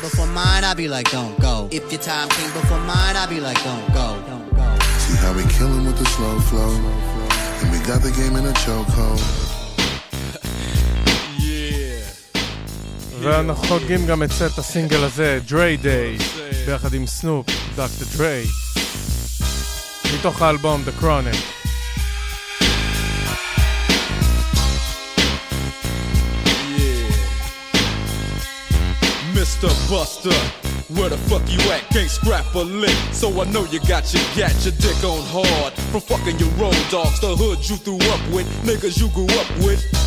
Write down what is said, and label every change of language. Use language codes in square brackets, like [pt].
[en] before mine, I'd be like, don't go. If your time came before mine, I'd be like, don't go. Don't go. See how we killin' with the slow flow. And we got the game in a chokehold. [he] ואנחנו חוגגים גם את סט הסינגל הזה, Dre Day, ביחד עם סנופ, דוקטור דרי. מתוך האלבום, The Chronic. [en] Mr. Buster, where the fuck you at? Can't scrap a lick, so I know you got your gat, your dick on hard from fucking your road dogs, the hood you threw up with, niggas you grew up with.